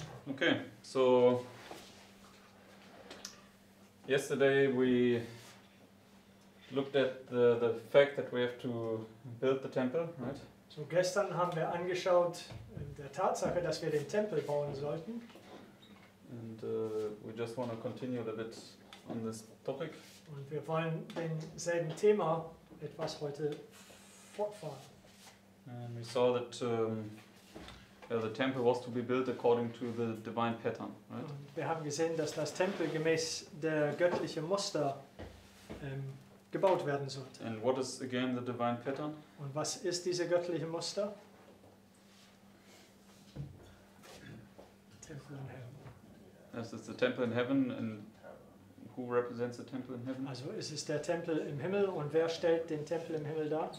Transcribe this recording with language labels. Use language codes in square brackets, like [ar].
[en] Okay, so yesterday we looked at the fact that we have to build the temple, right? [de] So gestern haben wir angeschaut der Tatsache, dass wir den Tempel bauen sollten. [en] And we just want to continue a bit on this topic. [de] Und wir wollen denselben Thema etwas heute fortfahren. [en] And we saw that the temple was to be built according to the divine pattern, right? [de] Wir haben gesehen, dass das Tempel gemäß der göttlichen Muster gebaut werden sollte. [en] And what is again the divine pattern? [de] Und was ist diese göttliche Muster? [en] Temple in heaven. Is the temple in heaven, and who represents the temple in heaven? [de] Also ist es der Tempel im Himmel, und wer stellt den Tempel im Himmel dar?